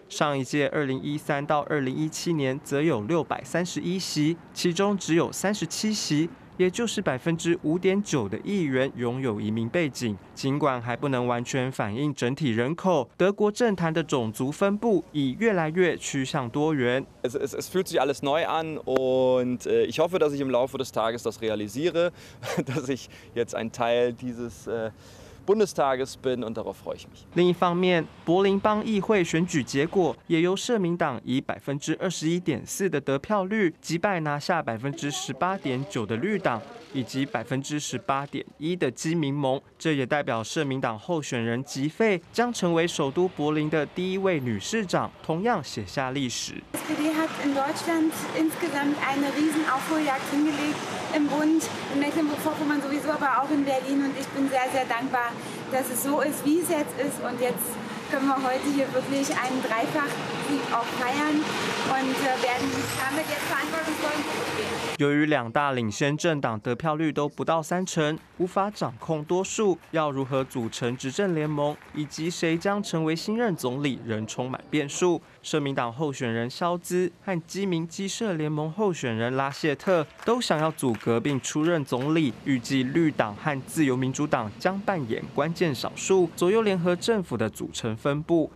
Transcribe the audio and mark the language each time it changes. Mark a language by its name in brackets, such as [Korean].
[Chinese] 上一届2013到2017年则有631席，其中只有37席，也就是5.9%的议员拥有移民背景。尽管还不能完全反映整体人口，德国政坛的种族分布已越来越趋向多元。 [German] Es fühlt sich alles neu an und ich hoffe, dass ich im Laufe des Tages das realisiere, dass ich jetzt ein Teil dieses Bundestages bin und darauf freue ich mich. [Chinese] 另一方面，柏林邦议会选举结果也由社民党以21.4%的得票率击败拿下18.9%的绿党以及18.1%的基民盟，这也代表社民党候选人吉费将成为首都柏林的第一位女市长，同样写下历史。 [German] SPD hat in Deutschland insgesamt eine riesen Aufholjagd hingelegt im Bund, in Mecklenburg-Vorpommern sowieso, aber auch in Berlin und ich bin sehr, sehr dankbar. Dass es so ist, wie es jetzt ist. Und jetzt können wir heute hier wirklich einen Dreifach-Sieg auch feiern und werden damit jetzt verantwortungsvoll umgehen. [Chinese] 由于两大领先政党得票率都不到30%，无法掌控多数，要如何组成执政联盟，以及谁将成为新任总理，仍充满变数。社民党候选人肖兹和基民基社联盟候选人拉谢特都想要组阁并出任总理，预计绿党和自由民主党将扮演关键少数，左右联合政府的组成分布。